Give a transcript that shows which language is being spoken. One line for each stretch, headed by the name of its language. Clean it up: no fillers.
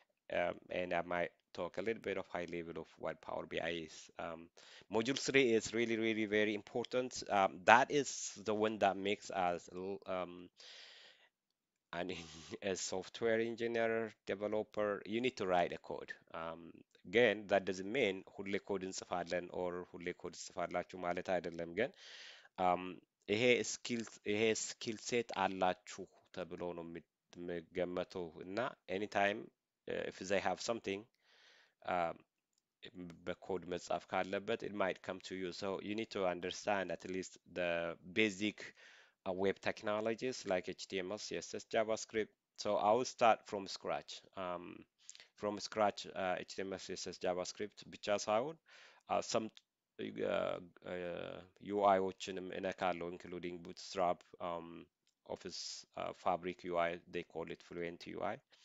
English: And I might talk a little bit of high level of what Power BI is. Module 3 is really, really very important. That is the one that makes us And a software engineer, developer, you need to write a code. Again, that doesn't mean
Amharic: ሁሌ ኮድ እንጽፋለን
English: or
Amharic: ሁሌ ኮድ እንጽፋላችሁ ማለት አይደለም። ግን ይሄ ስኪል ሴት አላችሁ ተብሎ ነው የሚገመተው። እና
English: ኤኒታይም ኢፍ ዘይ ሃቭ ሰምቲንግ
Amharic: በኮድ መጻፍ ካለበት
English: ኢት ማይት ከም ቱ ዩ ሶ ዩ ኒድ ቱ አንደርስታንድ አት ሊስት ዘ ቤዚክ web technologies like HTML, CSS, JavaScript. So I will start from scratch. From scratch, HTML, CSS, JavaScript, which is how some UI which in a car, including Bootstrap, Office Fabric UI, they call it Fluent UI.